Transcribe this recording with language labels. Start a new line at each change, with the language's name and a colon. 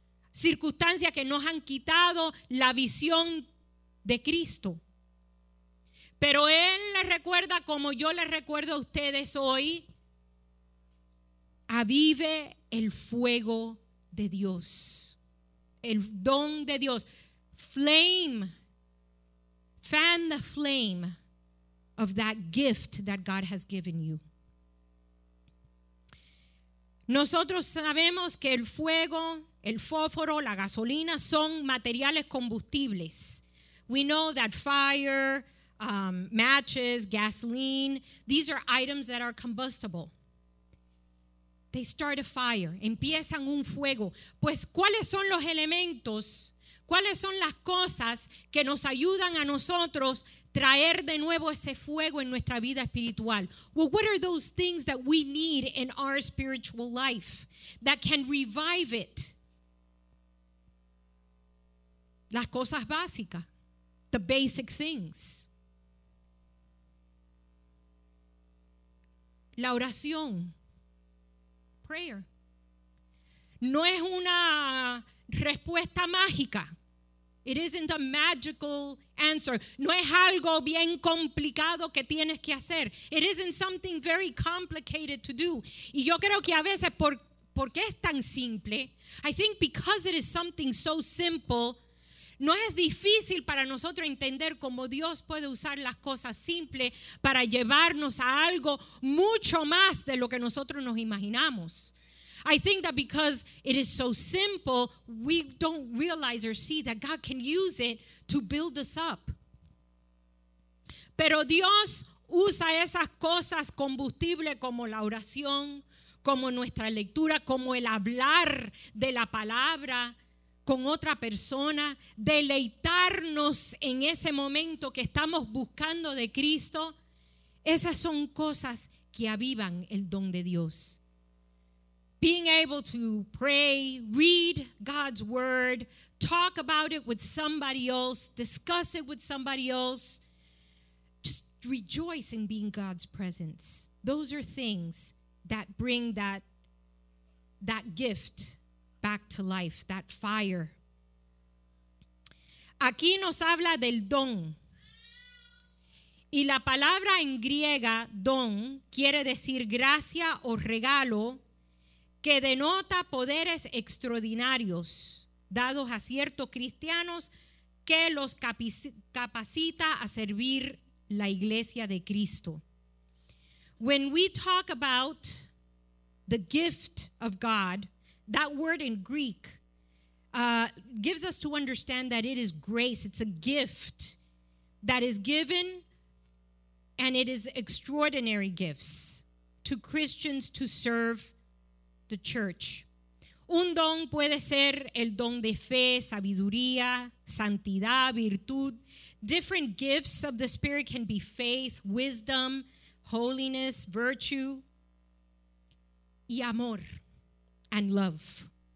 Spanish: Circunstancias que nos han quitado la visión de Cristo. Pero Él les recuerda, como yo les recuerdo a ustedes hoy, avive el fuego de Dios, el don de Dios.
English: Flame, fan the flame of that gift that God has given you.
Spanish: Nosotros sabemos que el fuego, el fósforo, la gasolina son materiales combustibles.
English: We know that fire, matches, gasoline, these are items that are combustible. They start a fire,
Spanish: empiezan un fuego. Pues, ¿cuáles son los elementos? ¿Cuáles son las cosas que nos ayudan a nosotros traer de nuevo ese fuego en nuestra vida espiritual?
English: Well, what are those things that we need in our spiritual life that can revive it?
Spanish: Las cosas básicas,
English: the basic things.
Spanish: La oración,
English: prayer.
Spanish: No es una respuesta mágica.
English: It isn't a magical answer.
Spanish: No es algo bien complicado que tienes que hacer.
English: It isn't something very complicated to do.
Spanish: Y yo creo que a veces, porque es tan simple,
English: I think because it is something so simple,
Spanish: no es difícil para nosotros entender cómo Dios puede usar las cosas simples para llevarnos a algo mucho más de lo que nosotros nos imaginamos.
English: I think that because it is so simple, we don't realize or see that God can use it to build us up.
Spanish: Pero Dios usa esas cosas combustibles como la oración, como nuestra lectura, como el hablar de la palabra con otra persona, deleitarnos en ese momento que estamos buscando de Cristo. Esas son cosas que avivan el don de Dios.
English: Being able to pray, read God's word, talk about it with somebody else, discuss it with somebody else, just rejoice in being God's presence. Those are things that bring that gift back to life, that fire.
Spanish: Aquí nos habla del don. Y la palabra en griega, don, quiere decir gracia o regalo, que denota poderes extraordinarios dados a ciertos cristianos que los capacita a servir la iglesia de Cristo.
English: When we talk about the gift of God, that word in Greek gives us to understand that it is grace. It's a gift that is given, and it is extraordinary gifts to Christians to serve the church.
Spanish: Un don puede ser el don de fe, sabiduría, santidad, virtud.
English: Different gifts of the Spirit can be faith, wisdom, holiness, virtue,
Spanish: y amor,
English: and love.